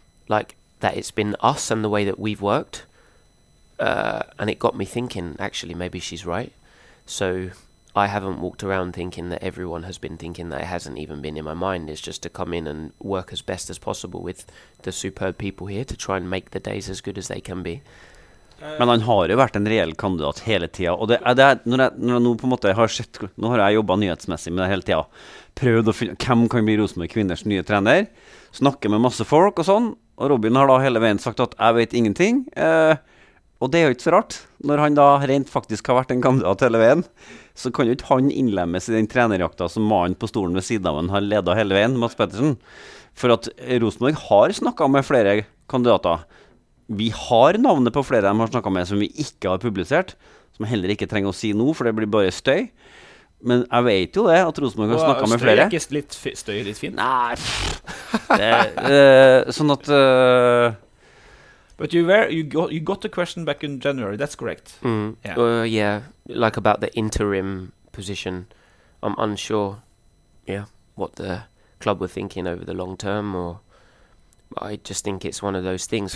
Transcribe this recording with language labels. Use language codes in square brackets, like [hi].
[en] Like that it's been us and the way that we've worked. And it got me thinking, actually, maybe she's right. So I haven't walked around thinking that everyone has been thinking that it hasn't even been in my mind. It's just to come in and work as best as possible with the superb people here to try and make the days as good as they can be. [no] Men han har jo vært en reell kandidat hele tiden. Og når jeg nå på en måte har sett, nå har jeg jobbet nyhetsmessig med det hele tiden. Prøvd å finne, hvem kan bli Rosenborg kvinners nye trener? Snakke med masse folk og sånn. Og Robin har da hele veien sagt at jeg vet ingenting. Og det jo ikke så rart. Når han da rent faktisk har vært en kandidat hele veien, så kan jo ikke han innlemmes I den trenerjakta som mannen på stolen ved siden av han har ledet hele veien, Mats Pettersen. For at Rosenborg har snakket med flere kandidater. vi har navnet på flere av dem har snakket med som vi ikke har publisert, som heller ikke trenger å si noe, for det blir bare støy. Men jeg vet jo det, at Rosenborg har snakket med flere. Støy er ikke litt støy, litt fint. Nei, det, sånn at... [en] But you got the question back in January. That's correct. Mm. Yeah. Yeah, like about the interim position. I'm unsure. Yeah, what the club were thinking over the long term, or I just think it's one of those things.